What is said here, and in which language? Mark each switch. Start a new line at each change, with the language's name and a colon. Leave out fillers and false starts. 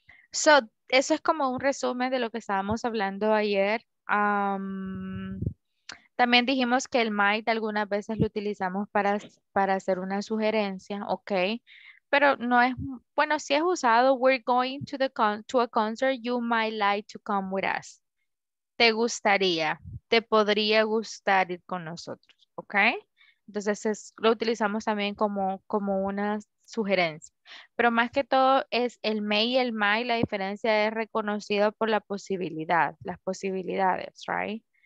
Spanish: So, eso es como un resumen de lo que estábamos hablando ayer. También dijimos que el might algunas veces lo utilizamos para hacer una sugerencia, ¿ok? Pero no es, bueno, si es usado,
English: we're going to a concert, you might like to come with us.
Spanish: Te gustaría, te podría gustar ir con nosotros, ¿ok? Entonces, lo utilizamos también como una sugerencia. Pero más que todo es el may y el might, la diferencia es reconocida por la posibilidad, las posibilidades, right?